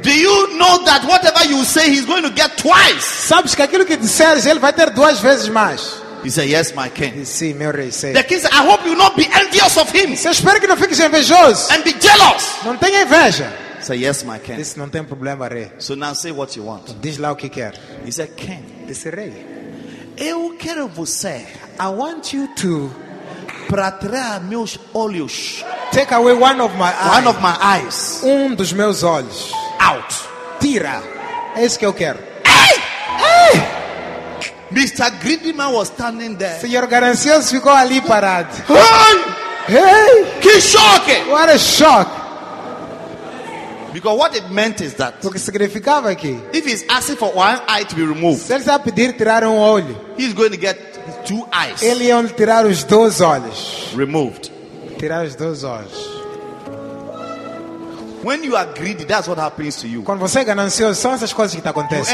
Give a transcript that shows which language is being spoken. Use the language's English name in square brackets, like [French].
[English] Do you know that whatever you say, he's going to get twice? [Portuguese] Sabes que aquilo que disseres, ele vai ter duas vezes mais. [English] He said, yes, my king. [Portuguese] Sim, meu rei, sim. [English] The king said, I hope you will not be envious of him. [Portuguese] Eu espero que não fiques invejoso. [English] And be jealous. [Portuguese] Não tenha inveja. [English] Say yes, my king. This [Portuguese] não tem problema, rei. [English] So now say what you want. [Portuguese] Diz lá o que quer. [English] He said, king. [Portuguese] Disse rei. Eu quero você. [English] I want you to [Portuguese] tirar meus olhos. [English] Take away one of my eyes. One of my eyes. [Portuguese] Um dos meus olhos. [English] Out. [Portuguese] Tira. É isso que eu quero. Ei! Ei! [English] Mr. Greedy Man was standing there. [Portuguese] Senhor Garancias ficou ali parado. [English] Run! Hey! [Portuguese] Que choque! [English] What a shock! Because what it meant is that. [Portuguese] O que significava aqui? [English] If he's asking for one eye to be removed. [Portuguese] Se ele está a pedir tirar um olho. [English] He's going to get two eyes. [Portuguese] Ele ia tirar os dois olhos. [English] Removed. [Portuguese] Tirar os dois olhos. [English] When you are greedy, that's what happens to you. [Portuguese] Quando você é ganancioso, são essas coisas que te acontecem.